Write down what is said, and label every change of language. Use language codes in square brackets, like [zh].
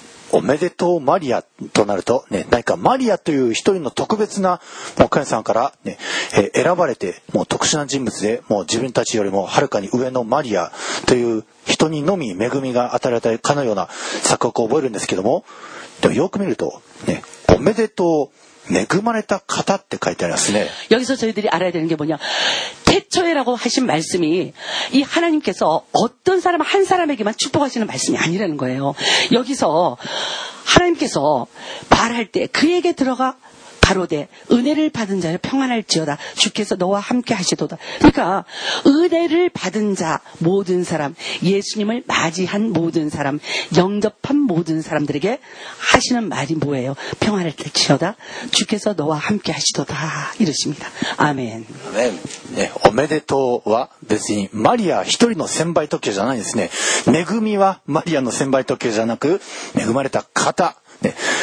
[ja] おめでとうマリアとなると、ね、何かマリアという一人の特別なお母さんから、ね、選ばれてもう特殊な人物でもう自分たちよりもはるかに上のマリアという人にのみ恵みが与えられたかのような錯覚を覚えるんですけど もよく見ると、ね、おめでとう恵まれた方って書いてありますね。 [ko] 여기서저희들이알아야되는게뭐냐 최초에라고 하신 말씀이 이 하나님께서 어떤 사람 한 사람에게만 축복하시는 말씀이 아니라는 거예요. 여기서 하나님께서 말할 때 그에게 들어가 바로되 은혜를 받은 자여 평안할지어다 주께서 너와 함께 하시도다. 그러니까 은혜를 받은 자 모든 사람 예수님을 맞이한 모든 사람 영접한 모든 사람들에게 하시는 말이 뭐예요? 평안할지어다 주께서 너와 함께 하시도다 이러십니다. 아멘. 아멘. [ja] 네, おめでとうは別にマリア一人の先輩特許じゃないですね 恵みはマリアの先輩特許じゃなく 恵まれた方 네.